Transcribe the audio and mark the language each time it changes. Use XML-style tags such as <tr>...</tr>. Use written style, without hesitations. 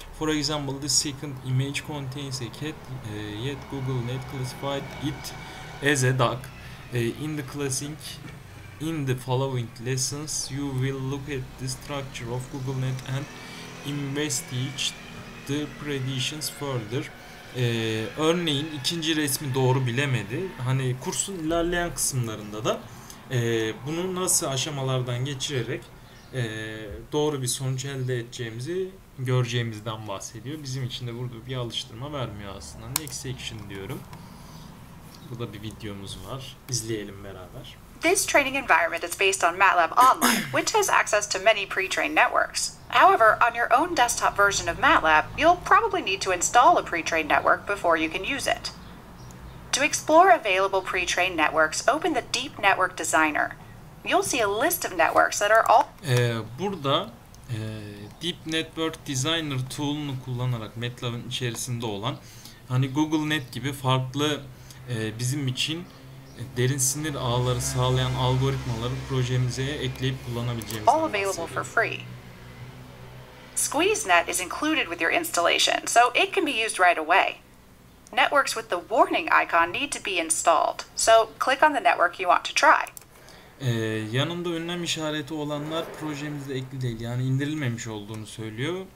<en>For example, the second image contains a cat, yet Google Net classified it as a duck. In the classing, in the following lessons, you will look at the structure of Google Net and investigate the predictions further.</en> <tr>Örneğin ikinci resmi doğru bilemedi. Hani kursun ilerleyen kısımlarında da bunu nasıl aşamalardan geçirerek doğru bir sonuç elde edeceğimizi göreceğimizden bahsediyor. Bizim için de burada bir alıştırma vermiyor aslında.</tr> <en>Next section</en> <tr>diyorum.</tr> <en>Burada bir videomuz var.</en> <tr>İzleyelim beraber.</tr> <en>This training environment is based on MATLAB Online, which has access to many pre-trained networks. However, on your own desktop version of MATLAB, you'll probably need to install a pre-trained network before you can use it. To explore available pre-trained networks, open the Deep Network Designer. You'll see a list of networks that are all...</en> <tr>Burada Deep Network Designer tool'unu kullanarak MATLAB'ın içerisinde olan hani Google Net gibi farklı bizim için derin sinir ağları sağlayan algoritmaları projemize ekleyip kullanabileceğimiz.</tr> <en>All available for free. SqueezeNet is included with your installation, so it can be used right away. Networks with the warning icon need to be installed, so click on the network you want to try.</en> <tr>Yanında önlem işareti olanlar projemizde ekli değil, yani indirilmemiş olduğunu söylüyor.</tr>